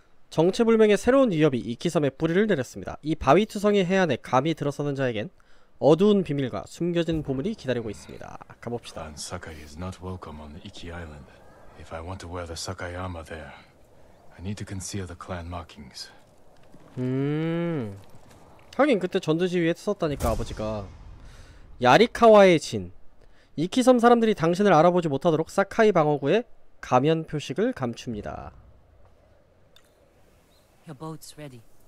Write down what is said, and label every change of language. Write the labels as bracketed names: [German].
[Korean] 정체불명의 새로운 위협이 이키섬에 뿌리를 내렸습니다. 이 바위투성이 해안에 감히 들어서는 자에겐 어두운 비밀과 숨겨진 보물이 기다리고 있습니다. 가봅시다. [English] Clan Sakai is not welcome on the Iki Island. If I want to wear the Sakai armor there, I need to conceal the clan markings. [Korean] 하긴 그때 전두지휘에 썼다니까 아버지가. 야리카와의 진. 이키섬 사람들이 당신을 알아보지 못하도록 사카이 방어구에 가면 표식을 감춥니다. [English] Your boat's ready.